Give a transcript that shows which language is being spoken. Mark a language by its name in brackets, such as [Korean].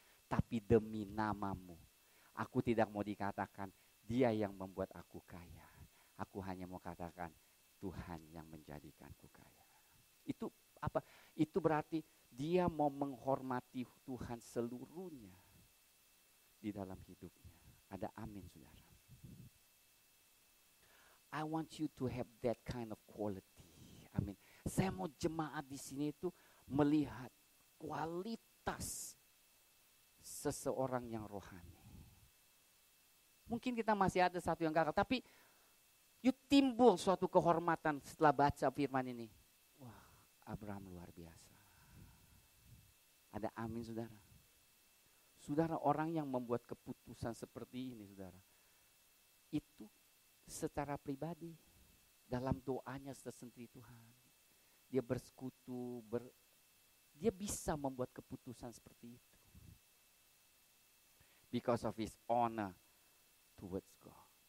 [Indonesian] Tapi demi namamu, aku tidak mau dikatakan dia yang membuat aku kaya. Aku hanya mau katakan Tuhan yang menjadikanku kaya. Itu apa? Itu berarti dia mau menghormati Tuhan seluruhnya di dalam hidupnya. Ada amin, saudara. [English] I want you to have that kind of quality. [Indonesian] Amin. Saya mau jemaat di sini itu melihat kualitas seseorang yang rohani. Mungkin kita masih ada satu yang gagal, tapi you timbul suatu kehormatan setelah baca firman ini. Wah, Abraham luar biasa. Ada amin, saudara. Saudara, orang yang membuat keputusan seperti ini, saudara, itu secara pribadi dalam doanya tersendiri Tuhan, dia bersekutu, dia bisa membuat keputusan seperti itu. [English] Because of his honor towards God.